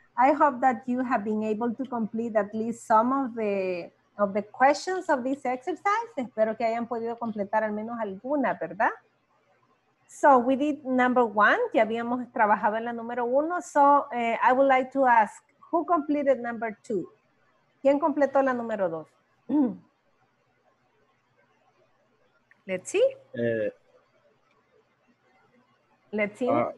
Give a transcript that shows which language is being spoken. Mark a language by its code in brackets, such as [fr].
[en] I hope that you have been able to complete at least some of the questions of this exercise. [es] Espero que hayan podido completar al menos alguna, ¿verdad? [en] So we did number one. [es] Ya habíamos trabajado en la número uno. [en] So I would like to ask, who completed number two? [es] ¿Quién completó la número dos? [en] Let's see. Let's see.